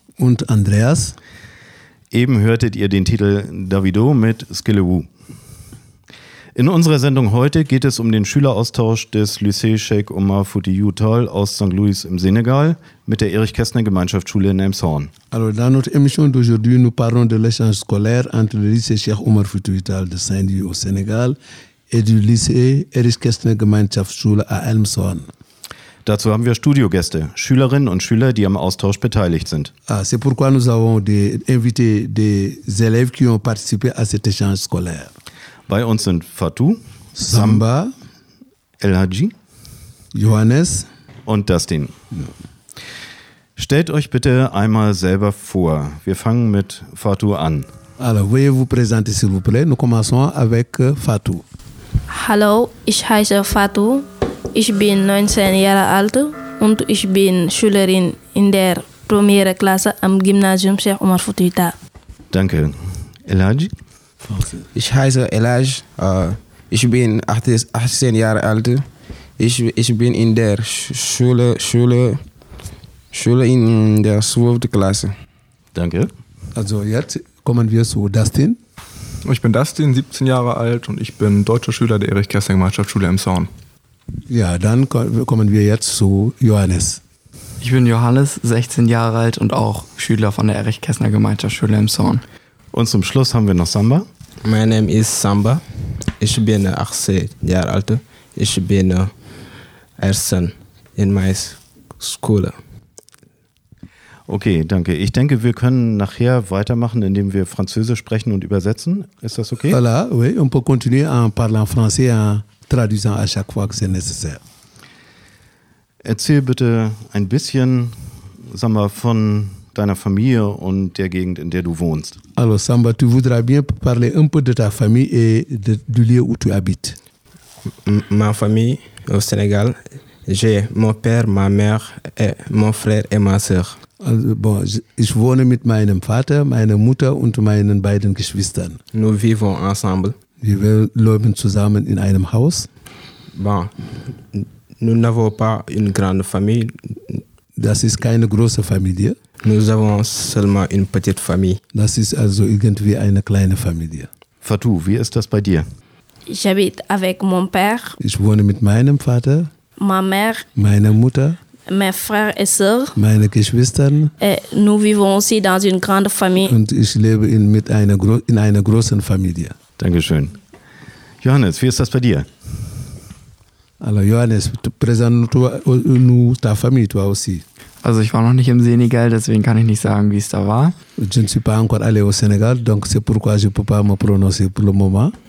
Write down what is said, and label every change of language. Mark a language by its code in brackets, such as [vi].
[de] Und Andreas. Eben hörtet ihr den Titel Davido mit Skillewoo. In unserer Sendung heute geht es um den Schüleraustausch des Lycée Cheikh Omar Fatiou Tall aus St. Louis im Senegal mit der Erich-Kästner-Gemeinschaftsschule in Elmshorn. [fr] Also, dans notre émission d'aujourd'hui, nous parlons de l'échange scolaire entre le Lycée Cheikh Omar Fatiou Tall de Saint-Louis au Sénégal et du Lycée Erich-Kästner-Gemeinschaftsschule à Elmshorn. [de] Dazu haben wir Studiogäste, Schülerinnen und Schüler, die am Austausch beteiligt sind. [fr] Ah, c'est pourquoi nous avons invité des élèves qui ont participé à cet échange scolaire. [de] Bei uns sind Fatou, Samba, El Hadji, Johannes und Dustin. Stellt euch bitte einmal selber vor. Wir fangen mit Fatou an. [fr] Alors, veuillez vous présenter, s'il vous plaît. Nous commençons avec Fatou. [de] Hallo, ich heiße Fatou. Ich bin 19 Jahre alt und ich bin Schülerin in der Premiere Klasse am Gymnasium Cheikh Omar Fatiou Tall. Danke. El Hadji? Ich heiße Elaj, ich bin 18 Jahre alt. Ich bin in der Schule in der 12. Klasse. Danke. Also jetzt kommen wir zu Dustin. Ich bin Dustin, 17 Jahre alt und ich bin deutscher Schüler der Erich-Kästner-Gemeinschaftsschule im Zorn. Ja, dann kommen wir jetzt zu Johannes. Ich bin Johannes, 16 Jahre alt und auch Schüler von der Erich-Kästner-Gemeinschaftsschule im Zorn. Und zum Schluss haben wir noch Samba. Mein Name ist Samba. Ich bin 18 Jahre alt. Ich bin Erster in meiner Schule. Okay, danke. Ich denke, wir können nachher weitermachen, indem wir Französisch sprechen und übersetzen. Ist das okay? [fr] Voilà, oui. On peut continuer en parlant français en traduisant à chaque fois que c'est nécessaire. [de] Erzähl bitte ein bisschen, Samba, von deiner Familie und der Gegend, in der du wohnst. [fr] Alors Samba, tu voudrais bien parler un peu de ta famille et du lieu où tu habites. Ma famille au Sénégal, j'ai mon père, ma mère, et mon frère et ma sœur. [de] Also, bon, ich wohne mit meinem Vater, meiner Mutter und meinen beiden Geschwistern. [fr] Nous vivons ensemble. [de] Wir leben zusammen in einem Haus. [fr] Bon, nous n'avons pas une grande famille. [de] Das ist keine große Familie. [fr] Nous avons seulement une petite famille. [de] Das ist also irgendwie eine kleine Familie. Fatou, wie ist das bei dir? Ich [fr] habite avec mon père. [de] Ich wohne mit meinem Vater. [fr] Ma mère. [de] Meine Mutter. [fr] Mes frères et sœurs. [de] Meine Geschwistern. [fr] Et nous vivons aussi dans une grande famille. [de] Und ich lebe in einer großen Familie. Dankeschön. Johannes, wie ist das bei dir? [fr] Alors Johannes, présente-toi nous ta famille, toi aussi. [de] Also ich war noch nicht im Senegal, deswegen kann ich nicht sagen, wie es da war. [fr] Je ne suis pas encore allé au Sénégal, donc c'est pourquoi je peux pas me prononcer pour le moment.